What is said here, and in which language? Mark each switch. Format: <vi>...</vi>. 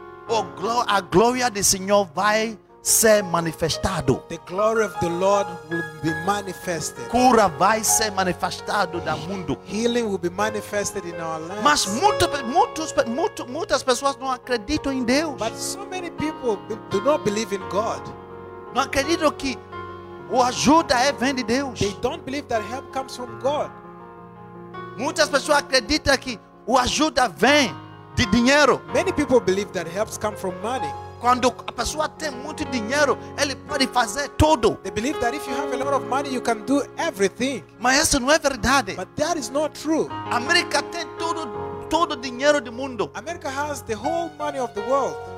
<pt>a glória do Senhor vai ser manifestado.</pt> <en>The glory of the Lord will be manifested.</en> <pt>Cura vai ser manifestado no mundo.</pt> <en>Healing will be manifested in our lives.</en> <pt>Mas muitas pessoas não acreditam em Deus.</pt> <en>But so many people do not believe in God.</en> <pt>Não acreditam que o ajuda vem de Deus.</pt> <en>They don't believe that help comes from God.</en> <pt>Muitas pessoas acreditam que o ajuda vem de dinheiro.</pt> <en>Many people believe that helps come from money.</en> <pt>Quando a pessoa tem muito dinheiro, ele pode fazer tudo.</pt> <en>They believe that if you have a lot of money, you can do everything.</en> <pt>Mas isso não é verdade.</pt> <en>But that is not true.</en> <pt>América tem todo dinheiro do mundo.</pt> <en>America has the whole money of the world.</en>